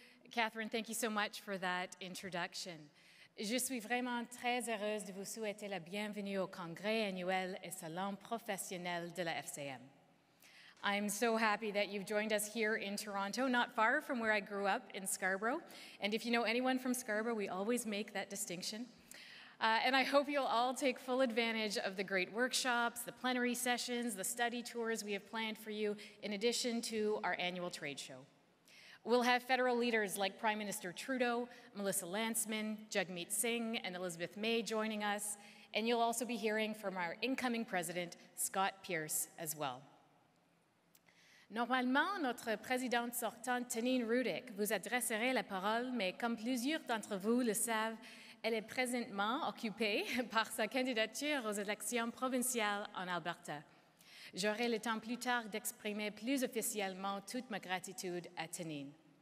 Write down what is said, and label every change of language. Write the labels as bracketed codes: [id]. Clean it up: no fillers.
[en] Catherine, thank you so much for that introduction. [fr] Je suis vraiment très heureuse de vous souhaiter la bienvenue au Congrès annuel et salon professionnel de la FCM. [en] I'm so happy that you've joined us here in Toronto, not far from where I grew up in Scarborough. And if you know anyone from Scarborough, we always make that distinction. And I hope you'll all take full advantage of the great workshops, the plenary sessions, the study tours we have planned for you, in addition to our annual trade show. We'll have federal leaders like Prime Minister Trudeau, Melissa Lanceman, Jagmeet Singh, and Elizabeth May joining us. And you'll also be hearing from our incoming president, Scott Pierce, as well. [fr] Normalement, notre présidente sortante, Tanine Rudick, vous adresserait la parole, mais comme plusieurs d'entre vous le savent, elle est présentement occupée par sa candidature aux élections provinciales en Alberta. J'aurai le temps plus tard d'exprimer plus officiellement toute ma gratitude à Tanine.